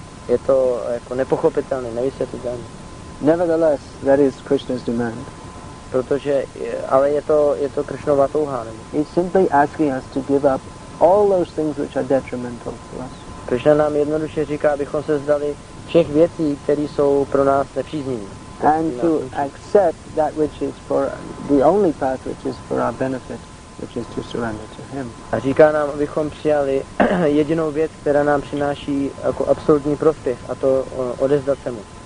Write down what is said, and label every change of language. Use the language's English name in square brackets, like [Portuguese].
[Czech] Je to jako nepochopitelné, nevysvětlitelné. [English] Nevertheless, that is Krishna's demand. [Czech] Protože, ale je to Krishnova touha. [English] He's simply asking us to give up all those things which are detrimental to us. [Czech] Krishna nám jednoduše říká, abychom se vzdali všech věcí, které jsou pro nás nepříznivé. [English] And to accept that which is for the only path which is for our benefit, which is to surrender to Him. [Czech] A říká nám, abychom přijali jedinou věc, která nám přináší jako absolutní prospěch, a to odevzdat se mu.